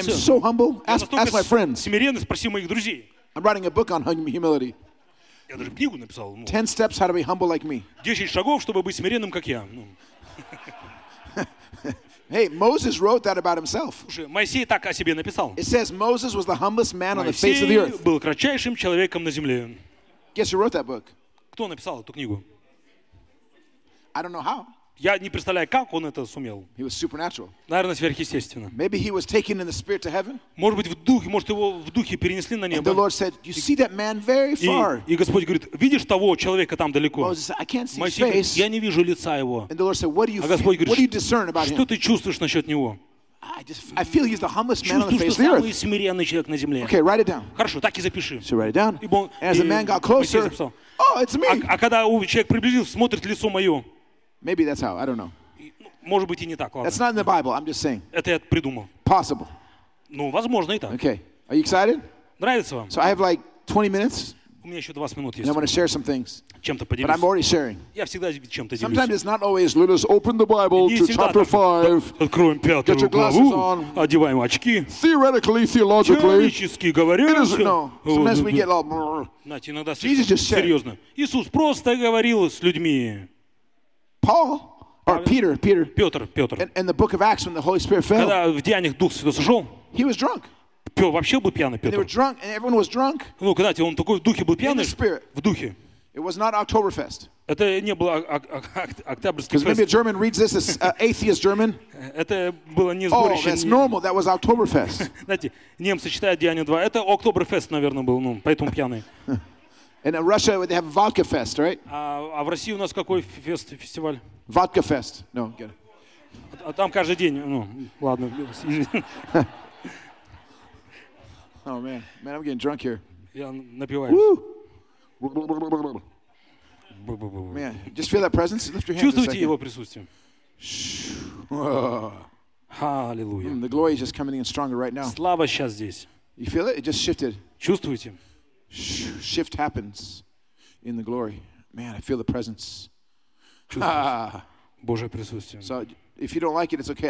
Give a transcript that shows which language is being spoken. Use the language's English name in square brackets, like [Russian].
[English] I'm so humble. Ask my friends. [Russian] Смиренный, спроси моих друзей. [English] I'm writing a book on humility. [Russian] Я даже книгу написал. [English] 10 steps how to be humble like me. [Russian] 10 шагов, чтобы быть смиренным, как я. Ну. [English] Hey, Moses wrote that about himself. [Russian] Моисей так о себе написал. [English] It says Moses was the humblest man on the face of the earth. [Russian] Моисей был кратчайшим человеком на земле. [English] Guess who wrote that book? [Russian] Кто написал эту книгу? [English] I don't know how. [Russian] Я не представляю, как он это сумел. [English] He was supernatural. [Russian] Наверное, сверхъестественно. [English] Maybe he was taken in the spirit to heaven. [Russian] Может быть, в духе, может его в духе перенесли на небо. [English] And the Lord said, "You see that man very far." [Russian] И Господь говорит, видишь того человека там далеко? [English] Moses said, "I can't see his face." [Russian] Моисей, я не вижу лица его. [English] And the Lord said, "What do you feel?" [Russian] А Господь говорит, [English] "What do you discern about him?" [Russian] Что ты чувствуешь насчет него? [English] I feel he's the humblest man [Russian] чувствую, [English] on the face of the earth. [Russian] Чувствую, что самый смиренный человек на земле. [English] Okay, write it down. [Russian] Хорошо, так и запиши. [English] So write it down. [Russian] Ибо, [English] and as the man got closer, oh, it's me. [Russian] А когда человек приблизился, смотрит лицо мое. [English] Maybe that's how. I don't know. [Russian] Может быть и не так. [English] That's not in the Bible. I'm just saying. [Russian] Это я придумал. [English] Possible. [Russian] Ну, возможно и так. [English] Okay. Are you excited? [Russian] Нравится вам? [English] So I have like 20 minutes. [Russian] У меня еще 20 минут есть. [English] And I want to share some things. [Russian] Чем-то поделюсь. [English] But I'm already sharing. [Russian] Я всегда чем-то делюсь. [English] Sometimes it's not always. Let us open the Bible to chapter 5. [Russian] Откроем пятую [English] Get your glasses on. [Russian] Одеваем очки. [English] Theoretically, theologically. [Russian] Теоретически говорим. [English] It is no. Sometimes we get all. [Russian] Знаете, иногда серьезно. Иисус просто говорил с людьми. [English] Paul or Peter. [Russian] Петр. [English] In the book of Acts, when the Holy Spirit fell. [Russian] Когда в Деяниях Дух Святой сошел. [English] He was drunk. [Russian] Вообще был пьяный Петр. [English] They were drunk and everyone was drunk. [Russian] Ну, когда он такой в духе был пьяный. [English] In the spirit. [Russian] В духе. [English] It was not Oktoberfest. [Russian] Это не было Октябрьский фест. [English] Because maybe a German reads this as atheist German. [Russian] Это было не сборище. [English] Oh, that's normal. That was Oktoberfest. [Russian] Знаете, немцы читают Деяния 2. Это Октоберфест, наверное, был, ну, поэтому пьяный. [English] And in Russia, they have Vodka Fest, right? [Russian] А в России у нас какой фестиваль? [English] Vodka Fest. No, get it. [Russian] А там каждый день, ну, ладно. [English] Oh man, man, I'm getting drunk here. [Russian] Я напиваюсь. [English] Man, just feel that presence. Lift your hands. [Russian] Чувствуйте его присутствие. [English] Hallelujah. The glory is just coming in stronger right now. [Russian] Слава сейчас здесь. [English] You feel it? It just shifted. [Russian] Чувствуете? [English] Shift happens in the glory. Man, I feel the presence. [Russian] Божье присутствие. [English] So, if you don't like it, it's okay.